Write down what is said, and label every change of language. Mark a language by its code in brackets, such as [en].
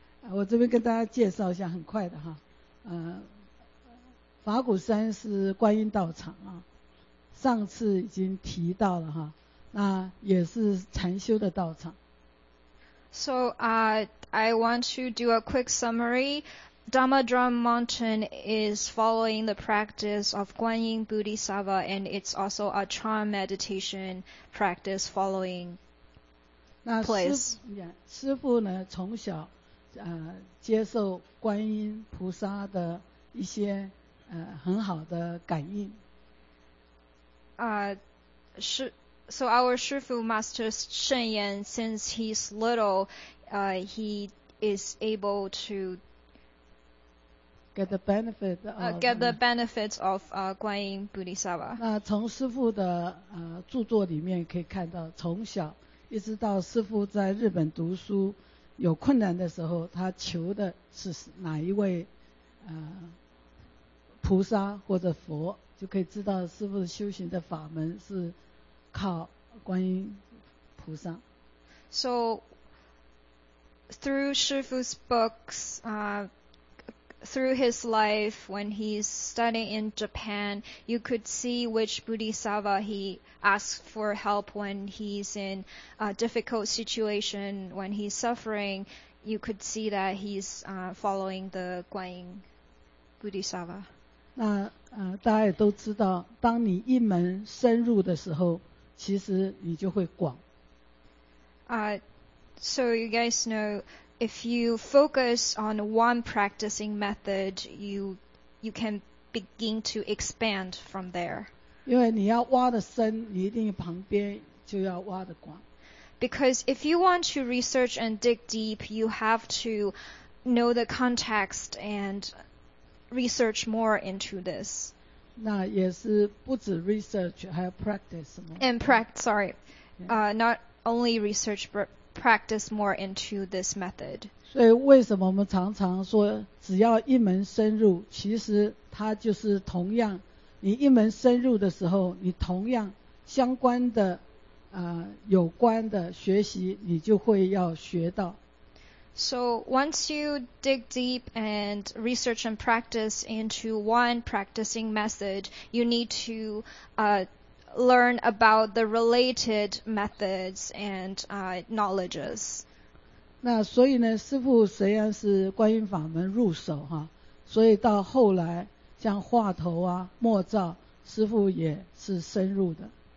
[zh] 我这边跟大家介绍一下很快的哈。法鼓山是观音道场啊。上次已经提到了哈，那也是禅修的道场。 [en] So, I want to do a quick summary. Dhammadrum Mountain is following the practice of Guanyin Bodhisattva, and it's also a chan meditation practice following place. [zh] 那师父呢，从小接受观音菩萨的一些很好的感应。 [en] So our Shifu Master Shen Yan, since he's little, he is able to get the benefit of, Guanyin Bodhisattva. [zh] 那从师父的著作里面可以看到，从小一直到师父在日本读书有困难的时候，他求的是哪一位菩萨或者佛。就可以知道师父修行的法门是靠观音菩萨。 [en] So through 师父's books, through his life, when he's studying in Japan, you could see which bodhisattva he asks for help when he's in a difficult situation, when he's suffering. You could see that he's following the Guanyin bodhisattva. [zh] 那大家也都知道，当你一门深入的时候，其实你就会广。 [en] So you guys know, if you focus on one practicing method, you can begin to expand from there. [zh] 因为你要挖的深，你一定旁边就要挖的广。 [en] Because if you want to research and dig deep, you have to know the context and research more into this. [zh] 那也是不止 research, 还要 practice 什么。 [en] And practice, sorry, not only research, but practice more into this method. [zh] 所以为什么我们常常说只要一门深入，其实它就是同样，你一门深入的时候，你同样相关的有关的学习你就会要学到。 [en] So once you dig deep and research and practice into one practicing method, you need to learn about the related methods and knowledges. [zh] 那所以呢，师父虽然是观音法门入手哈，所以到后来像化头啊、默照，师父也是深入的。